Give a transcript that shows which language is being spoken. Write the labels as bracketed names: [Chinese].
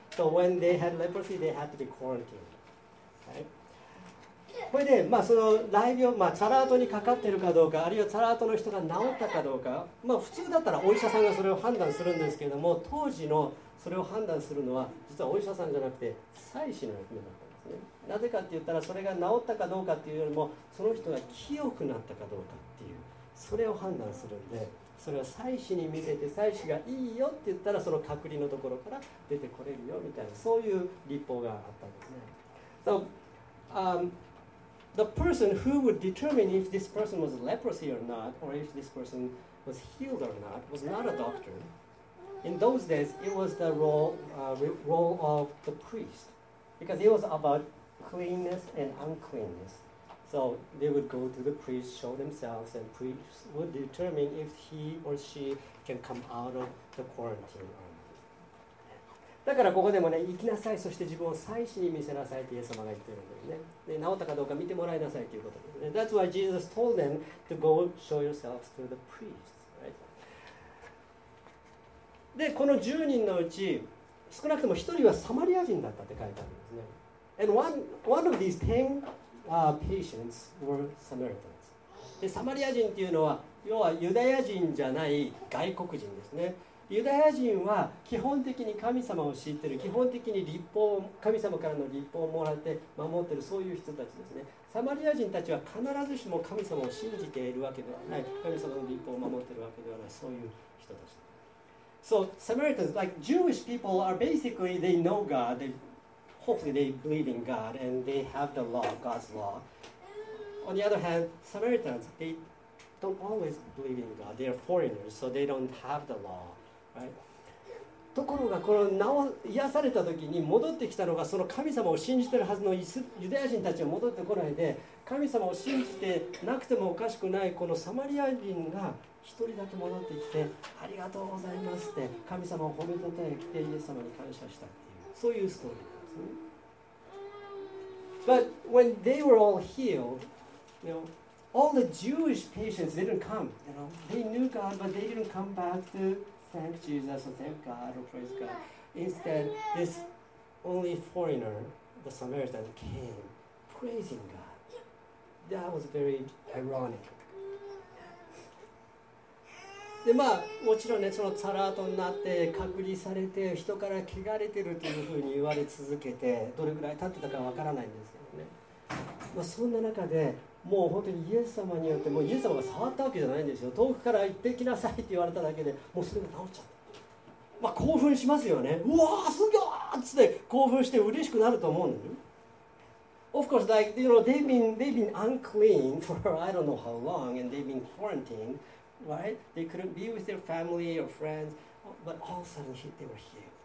[English] So when they had leprosy, they had to be quarantined. Right? [Japanese] これで、まあ、その雷病、まあ、チャラートにかかってるかどうか、あるいはチャラートの人が治ったかどうか、まあ、普通だったらお医者さんがそれを判断するんですけれども、当時のそれを判断するのは、実はお医者さんじゃなくて、祭司の役目だったんですね。なぜかって言ったら、それが治ったかどうかっていうよりも、その人が清くなったかどうかっていう、それを判断するんで、それは祭司に見せて、祭司がいいよって言ったら、その隔離のところから出てこれるよみたいな、そういう立法があったんですね。 [English] So, the person who would determine if this person was leprosy or not, or if this person was healed or not, was not a doctor. In those days, it was the role of the priest, because it was about cleanness and uncleanness. So they would go to the priest, show themselves, and priest would determine if he or she can come out of the quarantine or not. [Japanese] だからここでもね、行きなさい、そして自分を祭司に見せなさいとイエス様が言ってるんですね。で、治ったかどうか見てもらいなさいということですね。 [English] That's why Jesus told them to go show yourselves to the priest, right? [Japanese] で、この10人のうち、少なくとも1人はサマリア人だったって書いてあるんですね。 [English] And one of these 10、patients were Samaritans. [Japanese] で、サマリア人っていうのは、要はユダヤ人じゃない外国人ですね。ユダヤ人は基本的に神様を知っている、基本的に律法を神様からの律法をもらって守っている、そういう人たちですね。サマリア人たちは必ずしも神様を信じているわけではない、神様の律法を守っているわけではない、そういう人たち。 [English] So Samaritans, like Jewish people, are basically they know God, they, hopefully they believe in God and they have the law, God's law. On the other hand, Samaritans, they don't always believe in God. They are foreigners, so they don't have the law. Right. [Japanese] ところがこの癒された時に戻ってきたのがその神様を信じてるはずのユダヤ人たちが戻ってこないで神様を信じてなくてもおかしくないこのサマリア人が一人だけ戻ってきてありがとうございますって神様を褒めたたえてイエス様に感謝したっていうそういうストーリーなんですね。 [English] But when they were all healed, you know, all the Jewish patients didn't come. You know, they knew God, but they didn't come back toThank Jesus, or thank God, or praise God. Instead, this only foreigner, the Samaritan, came praising God. That was very ironic. [Japanese] で、まあ、もちろんね、そのチャラートになって隔離されて、人から汚れてるというふうに言われ続けて、どれくらい経ってたかわからないんですけどね。まあ、そんな中で、もう本当にイエス様によってもうイエス様が触ったわけじゃないんですよ。遠くから行ってきなさいって言われただけでもうすぐ治っちゃった。まあ興奮しますよね。うわーすげえっつって興奮して嬉しくなると思うんだよ。 [English] Of course, like, you know, they've been unclean for I don't know how long and they've been quarantined, right? They couldn't be with their family or friends, but all of a sudden they were healed.